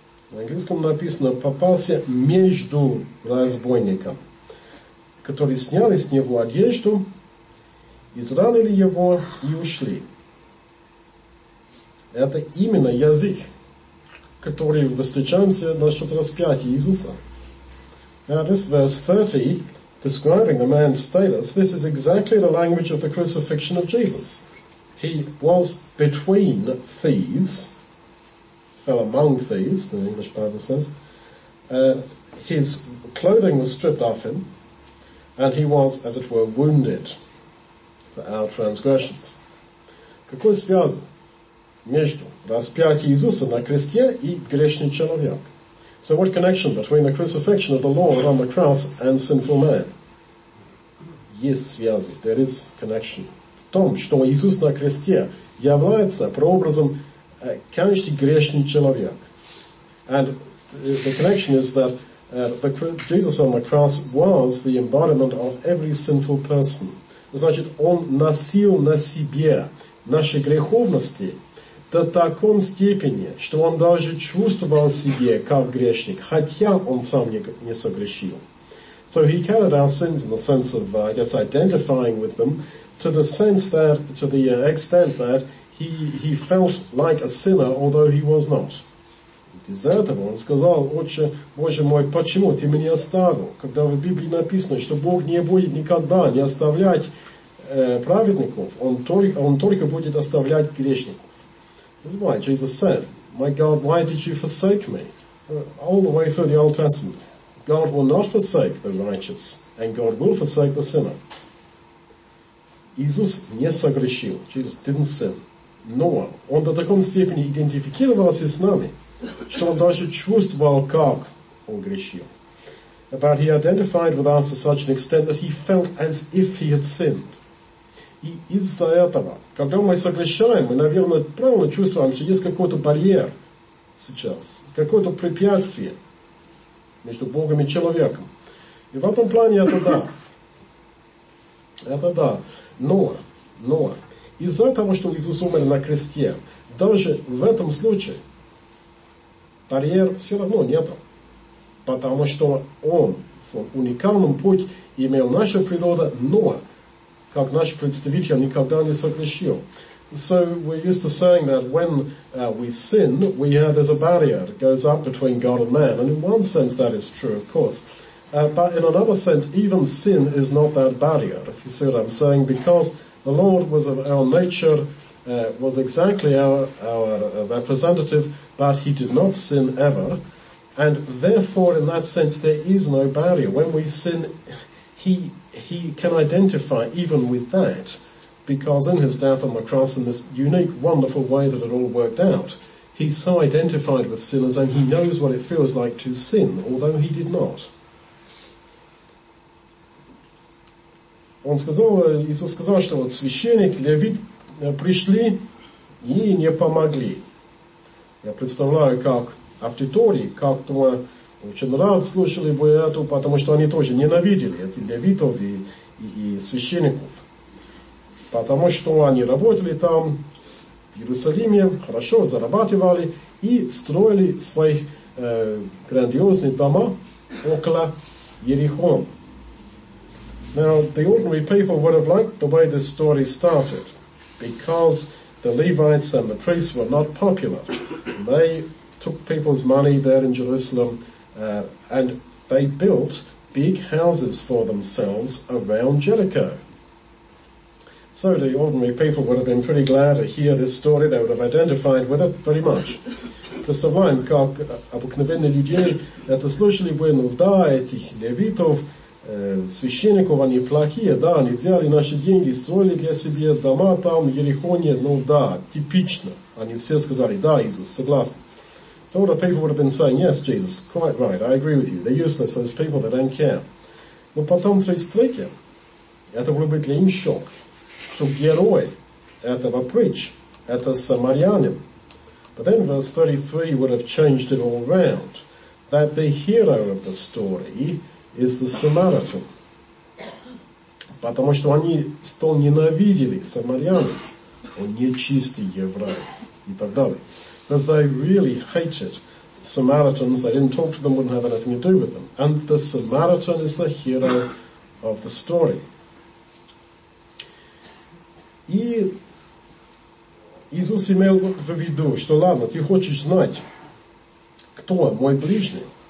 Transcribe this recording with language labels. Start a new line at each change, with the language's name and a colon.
Russian: В английском написано «попался между разбойником», которые сняли с него одежду, изранили его и ушли. Это именно язык, который встречаемся насчет распятия Иисуса.
English: Now this verse 30, describing the man's status, this is exactly the language of the crucifixion of Jesus. He was between thieves, fell among thieves, the English Bible says. His clothing was stripped off him, and he was, as it were, wounded for our transgressions.
Russian: Какой связь между распятие Иисуса на кресте и грешный человек?
English: So what connection between the crucifixion of the Lord on the cross and sinful man?
Russian: Есть связь,
English: there is connection.
Russian: В том, что Иисус на кресте является прообразом каждый грешный человек.
English: And the connection is that Jesus on the cross was the embodiment of every sinful person.
Russian: Значит, Он носил на себе наши греховности до таком степени, что Он даже чувствовал себя как грешник, хотя Он сам не согрешил.
English: So He carried our sins in the sense of, I guess, identifying with them, to the extent that he felt like a sinner, although he was not.
Russian: Из этого он сказал, Отче, Боже мой, почему ты меня оставил? Когда в Библии написано, что Бог не будет никогда не оставлять праведников, он только будет оставлять грешников.
English: That's why Jesus said, My God, why did you forsake me? All the way through the Old Testament. God will not forsake the righteous, and God will forsake the sinner.
Russian: Иисус не согрешил.
English: Jesus didn't sin.
Russian: Но он до такой степени идентифицировался с нами, что он даже чувствовал, как он грешил.
English: But he identified with us to such an extent that he felt as if he had sinned.
Russian: И из-за этого, когда мы согрешаем, мы, наверное, правильно чувствуем, что есть какой-то барьер сейчас, какое-то препятствие между Богом и человеком. И в этом плане это да. Это да. Но из-за того, что Иисус умер на кресте, даже в этом случае барьер все равно нету. Потому что Он свой уникальный путь имел нашу природу, но как наш представитель никогда не согрешил.
English: So we're used to saying that when we sin, we have there's a barrier that goes up between God and man. And in one sense that is true, of course. But in another sense, even sin is not that barrier, if you see what I'm saying, because the Lord was of our nature, was exactly our representative, but he did not sin ever. And therefore, in that sense, there is no barrier. When we sin, he can identify even with that, because in his death on the cross, in this unique, wonderful way that it all worked out, he's so identified with sinners, and he knows what it feels like to sin, although he did not.
Russian: Он сказал, Иисус сказал, что вот священник, левит пришли и не помогли. Я представляю, как авторитарии как-то очень рад слушали бы эту, потому что они тоже ненавидели этих левитов и священников. Потому что они работали там, в Иерусалиме, хорошо зарабатывали и строили свои грандиозные дома около Ерихона.
English: Now, the ordinary people would have liked the way this story started, because the Levites and the priests were not popular. They took people's money there in Jerusalem, and they built big houses for themselves around Jericho. So the ordinary people would have been pretty glad to hear this story. They would have identified with it very much.
Russian: Посылаем, как обыкновенные люди, это слышали бы, ну да, этих левитов, священников, они плохие, да, они взяли наши деньги, строили для себя дома там, в Иерихоне, ну да, типично. Они все сказали, да, Иисус, согласен.
English: So all the people would have been saying, yes, Jesus, quite right, I agree with you. They're useless, those people, they don't care.
Russian: Но потом, 33-е, это было бы для них шок, что герой этого притч, это самарянин.
English: But then verse 33 would have changed it all around, that the hero of the story is the Samaritan.
Russian: Потому что они столь ненавидели самарянин, он нечистый еврей, и так далее.
English: Because they really hated Samaritans, they didn't talk to them, wouldn't have anything to do with them. And the Samaritan is the hero of the story.
Russian: И Иисус имел в виду, что ладно, ты хочешь знать, кто мой ближний.